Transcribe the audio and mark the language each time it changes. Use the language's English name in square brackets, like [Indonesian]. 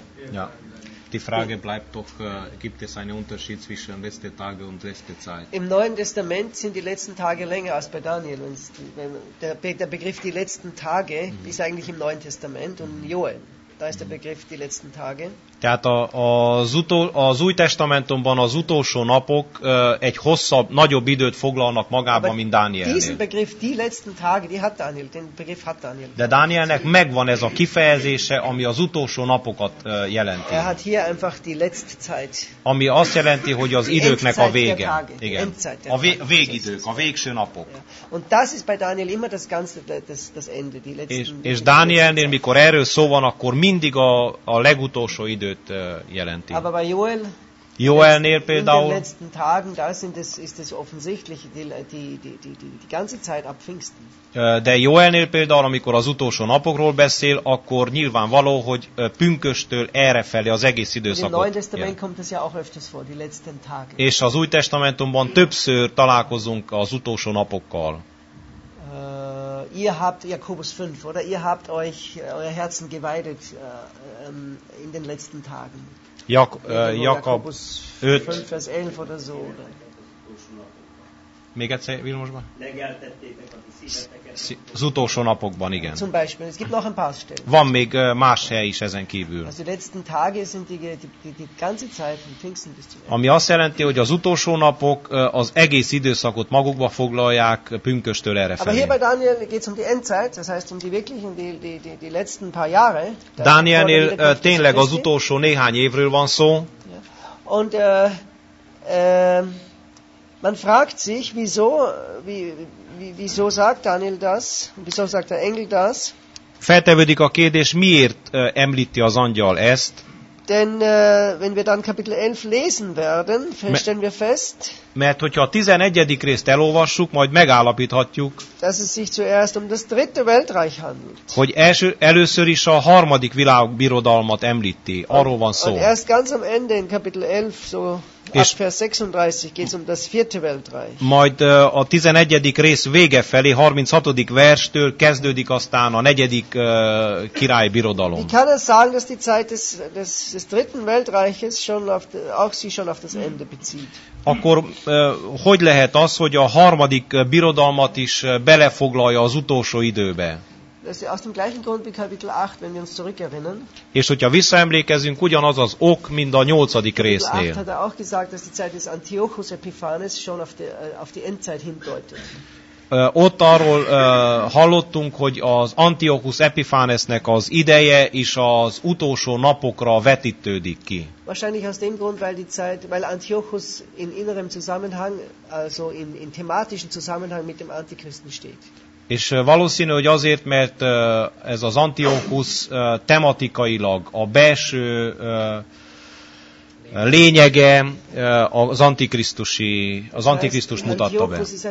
[German] Ja, die Frage bleibt doch, gibt es einen Unterschied zwischen letzte Tage und letzte Zeit? Im Neuen Testament sind die letzten Tage länger als bei Daniel. Und der Begriff die letzten Tage ist eigentlich im Neuen Testament und Joel. da ist der Begriff die letzten Tage. [Hungarian] Tehát az Új Testamentumban az utolsó napok egy hosszabb, nagyobb időt foglalnak magában, mint Dánielnél. [German] Diesen Begriff, die letzten Tage, die hat Daniel, den Begriff hat Daniel. [Hungarian] De Dánielnek megvan ez a kifejezése, ami az utolsó napokat jelenti. [German] Er hat hier einfach die letzte Zeit. [Hungarian] Ami azt jelenti, hogy az időknek a vége. Igen. A végidők, a végső napok. [German] Und das ist bei Daniel immer das ganze, das Ende, die letzten. [Hungarian] És Dánielnél, mikor erről szó van, akkor mindig a legutolsó idő. Időt jelenti. [German] Aber bei Joel, [Hungarian] Joelnél például, [German] in den letzten Tagen, da sind es, ist es offensichtlich die ganze Zeit ab Pfingsten. [Hungarian] De Joelnél például, amikor az utolsó napokról beszél, akkor nyilvánvaló, hogy pünköstől errefelé az egész időszakot. [German] Im Neuen Testament kommt es ja auch öfters vor, die letzten Tage. [Hungarian] És az Új Testamentumban többször találkozunk az utolsó napokkal. [German] Ihr habt Jakobus 5, oder ihr habt euch euer Herzen geweidet in den letzten Tagen. Jakobus 5, Vers 11 oder so. Oder? [Hungarian] Még egyszer, Vilmosban? Az utolsó napokban, igen. [German] Zum Beispiel, es gibt noch ein paar Stellen. [Hungarian] Van még más hely is ezen kívül. [German] Also die letzten Tage sind die ganze Zeit von Pfingsten bis zu. [Hungarian] Ami azt jelenti, hogy az utolsó napok az egész időszakot magukba foglalják pünköstől errefelé. [German] Aber hier bei Daniel geht's um die Endzeit, das heißt um die wirklichen die letzten paar Jahre. [Hungarian] Dánielnél tényleg az utolsó néhány évről van szó. [English] Yeah. [German] Und man fragt sich, wieso sagt Daniel das? Wieso sagt der Engel das? [Hungarian] Feltevődik a kérdés, miért említi az angyal ezt? [German] Denn wenn wir dann Kapitel 11 lesen werden, stellen wir fest. [Hungarian] Mert hogyha a 11. részt elolvassuk, majd megállapíthatjuk. [German] Dass es sich zuerst um das dritte Weltreich handelt. [Hungarian] Hogy először is a harmadik világbirodalmat említi. Arról van szó. [German] Und erst ganz am Ende in Kapitel 11 so és ab Vers 36 geht's um das vierte Weltreich. [Hungarian] Majd a 11. rész vége felé, 36. verstől kezdődik aztán a negyedik királybirodalom. [German] Wie kann es sagen, dass die Zeit des dritten Weltreiches schon auf auch sich schon auf das Ende bezieht? [Hungarian] Akkor hogy lehet az, hogy a harmadik birodalmat is belefoglalja az utolsó időbe? [German] Aus dem gleichen Grund wie Kapitel 8, wenn wir uns zurückerinnern. [Hungarian] És hogyha visszaemlékezünk, ugyanaz az ok, mint a 8. résznél. [German] Hat er auch gesagt, dass die Zeit des Antiochus Epiphanes schon auf die Endzeit hindeutet. [Hungarian] Ott arról hallottunk, hogy az Antiochus Epiphanesnek az ideje is az utolsó napokra vetítődik ki. [German] Wahrscheinlich aus dem Grund, weil Antiochus in innerem Zusammenhang, also in thematischen Zusammenhang mit dem Antichristen steht. [Hungarian] És valószínű, hogy azért, mert ez az Antiochus tematikailag a belső lényege az Antikrisztus mutatta be.